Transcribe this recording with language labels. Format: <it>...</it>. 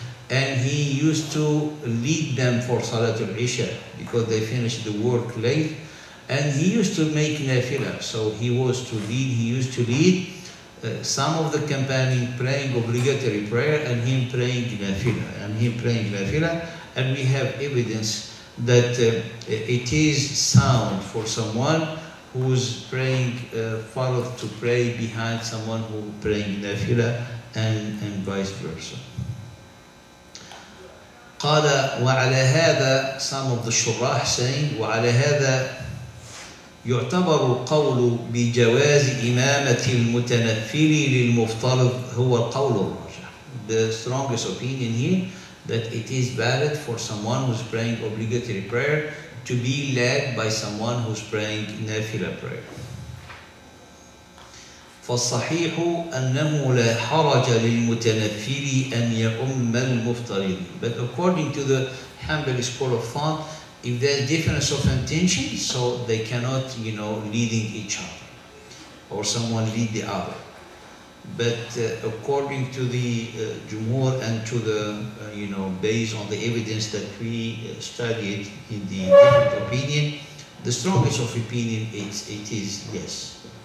<en>and he used to lead them for Salatul Isha, because they finished the work late, and he used to make nafilah, so he was to lead, he used to lead some of the companion praying obligatory prayer, and him praying nafilah, And we have evidence that it is sound for someone who's praying farz to pray behind someone who praying nafilah, and vice versa.</en> <ar>قال وعلى هذا,</ar> <en>some of the shurah saying,</en> <ar>وعلى هذا يعتبر القول بجواز إمامة المتنفل للمفترض هو القول الراجح.</ar> <en>The strongest opinion here, that it is valid for someone who's praying obligatory prayer to be led by someone who's praying nafila prayer.</en> <ar>فالصحيح أنه لا حرج للمتنفل أن يأم المفترض.</ar> <en>But according to the Hanbali school of thought, if there's difference of intention, so they cannot, you know, leading each other, or someone lead the other. But according to the Jumhur and to the, you know, based on the evidence that we studied in the different opinion, the strongest of opinion is, it is yes.</en>